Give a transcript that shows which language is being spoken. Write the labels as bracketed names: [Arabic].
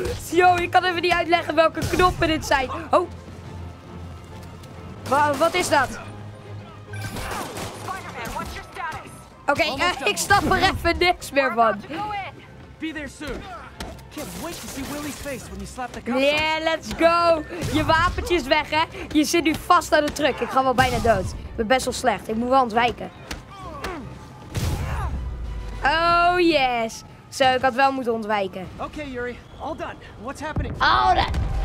[Dutch] Yo, ik kan even niet uitleggen welke knoppen dit zijn. Oh. Wat is dat? [English] Spider-Man, what's your status? [Dutch] Oké, ik snap er even niks meer van. [English] Be there soon. Can't wait to see Willy's face when you slap the cuffs. Yeah, let's go. [Dutch] Je wapentje is weg, hè? Je zit nu vast aan de truck. Ik ga wel bijna dood. Ik ben best wel slecht. Ik moet wel ontwijken. [English] Oh yes. [Dutch] Zo, ik had wel moeten ontwijken. [English] Oké, Yuri, all done. What's happening? All done.